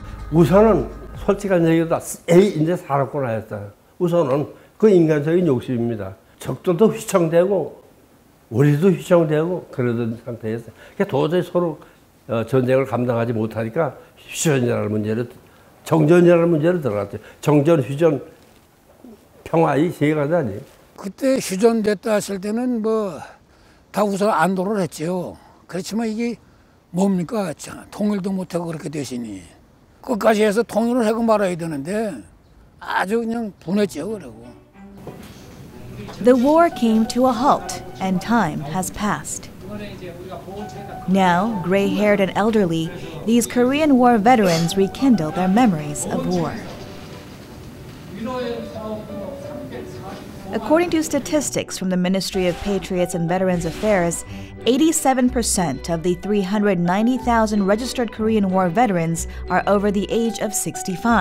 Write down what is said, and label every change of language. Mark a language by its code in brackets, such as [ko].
[ko] 우선은 솔직한 얘기다. 이제 살았구나 했다. 우선은 그 인간적인 욕심입니다. 적들도 휘청대고 우리도 휘청대고 그러던 상태에서 그러니까 도저히 서로 전쟁을 감당하지 못하니까 휴전이라는 문제로 정전이라는 문제로 들어갔죠. 정전, 휴전, 평화 이 세 가지 아니에요. 그때 휴전됐다 했을 때는 뭐 다 우선 안도를 했죠. 그렇지만 이게 뭡니까? 통일도 못하고 그렇게 되시니 끝까지 해서 통일을 하고 말아야 되는데 아주 그냥 분했죠, 그러고. [en] The war came to a halt, and time has passed. Now, gray-haired and elderly, these Korean War veterans rekindle their memories of war. According to statistics from the Ministry of Patriots and Veterans Affairs, 87% of the 390,000 registered Korean War veterans are over the age of 65.